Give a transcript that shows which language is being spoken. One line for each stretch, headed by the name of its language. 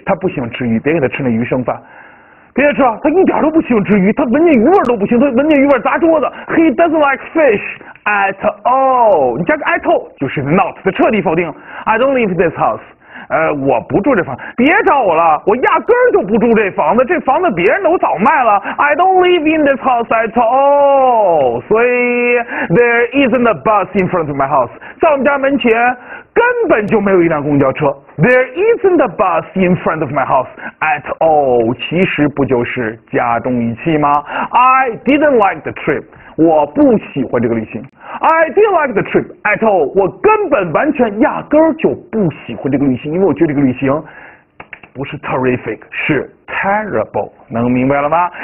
Chinese: 他不喜欢吃鱼，别给他吃那鱼生饭。别吃啊，他一点都不喜欢吃鱼，他闻见鱼味都不行，他闻见鱼味砸桌子。
English: He doesn't like fish at all.
Chinese: 你加个 at all 就是 not 的彻底否定。
English: I don't live this house.
Chinese: 我不住这房子。别找我了，我压根就不住这房子，这房子别人都早卖了。
English: I don't live in this house at all. 所以 there isn't a bus in front of my house.
Chinese: 在我们家门前根本就没有一辆公交车。
English: There isn't a bus in front of my house at all.
Chinese: 其实不就是加重语气吗？
English: I didn't like the trip.
Chinese: 我不喜欢这个旅行。
English: I didn't like the trip at all.
Chinese: 我根本完全压根儿就不喜欢这个旅行，因为我觉得这个旅行不是 terrific， 是 terrible。能明白了吗？